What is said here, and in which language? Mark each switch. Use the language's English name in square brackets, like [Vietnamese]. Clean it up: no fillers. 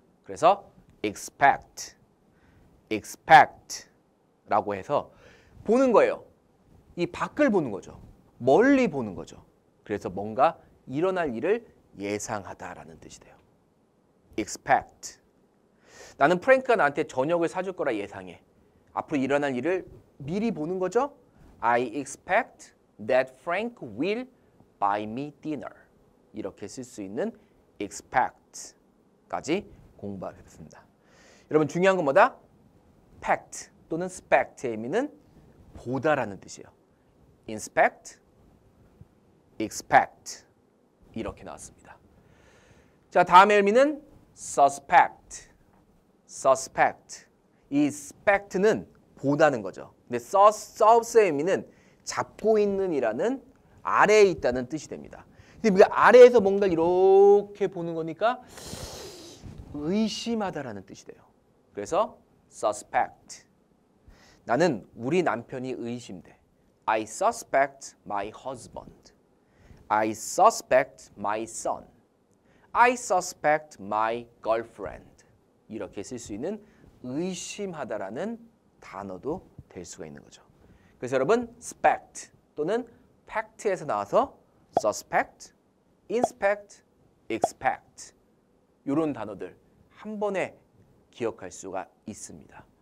[Korean] 그래서 expect, expect 라고 해서 보는 거예요. 이 밖을 보는 거죠. 멀리 보는 거죠. 그래서 뭔가 일어날 일을 예상하다라는 뜻이 돼요. [English] expect. [Korean] 나는 프랭크가 나한테 저녁을 사줄 거라 예상해. 앞으로 일어날 일을 미리 보는 거죠. [English] I expect that Frank will buy me dinner. [Korean] 이렇게 쓸 수 있는 expect까지 공부하겠습니다. 여러분 중요한 건 뭐다? pact 또는 spect의 의미는 보다라는 뜻이에요. inspect, expect 이렇게 나왔습니다. 자, 다음의 의미는 suspect. [English] suspect. [Korean] 이 spect는 보다는 거죠. 근데 sus의 의미는 잡고 있는 이라는 아래에 있다는 뜻이 됩니다. 근데 우리가 아래에서 뭔가 이렇게 보는 거니까 의심하다라는 뜻이 돼요. 그래서 suspect. 나는 우리 남편이 의심돼. [English] I suspect my husband. I suspect my son. I suspect my girlfriend. [Korean] 이렇게 쓸 수 있는 의심하다라는 단어도 될 수가 있는 거죠. 그래서 여러분, spect 또는 pact에서 나와서 suspect, inspect, expect 이런 단어들 한 번에 기억할 수가 있습니다.